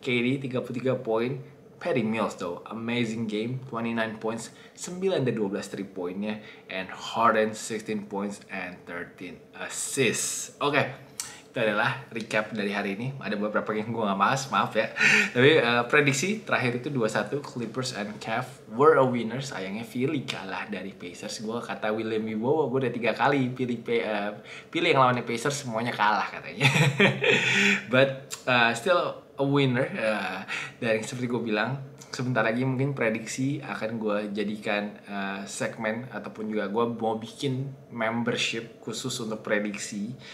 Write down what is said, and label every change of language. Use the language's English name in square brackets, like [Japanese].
[English] KD 33 poin. Patty Mills though, amazing game, 29 points, [Indonesian] 9 dari 12 3 poinnya, [English] and Harden 16 points and 13 assists. Oke, okay. [Indonesian] Itu adalah recap dari hari ini. Ada beberapa yang gue gak bahas, maaf ya. Tapi prediksi terakhir itu 2-1, [English] Clippers and Cavs were a winner. [Indonesian] Sayangnya Philly kalah dari Pacers. Gue kata William Iwobo, gue udah 3 kali pilih yang lawannya Pacers, semuanya kalah katanya. [English] But still a winner. [Indonesian] Dan seperti gue bilang, sebentar lagi mungkin prediksi akan gue jadikan segmen, ataupun juga gue mau bikin membership khusus untuk prediksi.